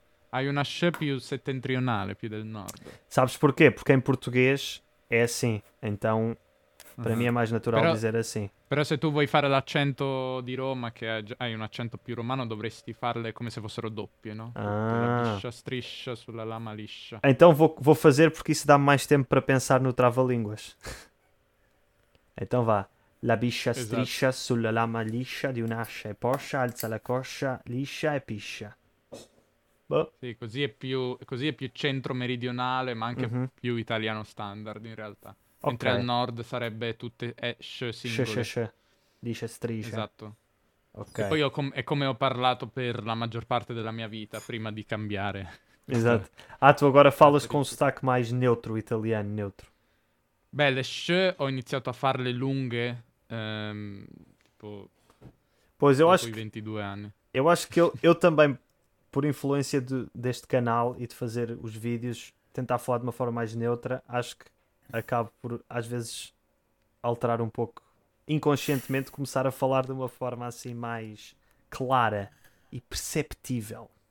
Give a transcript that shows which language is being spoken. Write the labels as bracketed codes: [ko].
[it] Hai una sh più settentrionale, più del nord. [pt] Sabes [it] perché? Perché in portoghese è [pt] assim. Então, [it] per me è [pt] mais natural dizer assim. [it] Però se tu vuoi fare l'accento di Roma, che hai un accento più romano, dovresti farle come se fossero doppie, no? Ah. La biscia striscia sulla lama liscia. [pt] Então vou fazer [it] perché [pt] isso [it] dà [pt] mais tempo [it] per pensare [pt] no trava-línguas. Então va. [it] La biscia striscia sulla lama liscia di un'ascia e poscia, alza la coscia, liscia e piscia. Boh. Sì, così è più centro-meridionale, ma anche più italiano standard, in realtà. Okay. Mentre al nord sarebbe tutte sh singole. Sh, dice striscia. Esatto. Okay. E poi è come ho parlato per la maggior parte della mia vita, prima di cambiare. Esatto. [pt] Ah, tu agora falas con un stack mais neutro, [it] italiano neutro. Beh, le sh ho iniziato a farle lunghe, tipo, [pt] pois eu [it] dopo [pt] acho [it] i 22 anni. [pt] Eu acho que eu também, por influência deste canal e de fazer os vídeos, tentar falar de uma forma mais neutra, acho que acabo por, às vezes, alterar um pouco, inconscientemente, começar a falar de uma forma assim mais clara e perceptível.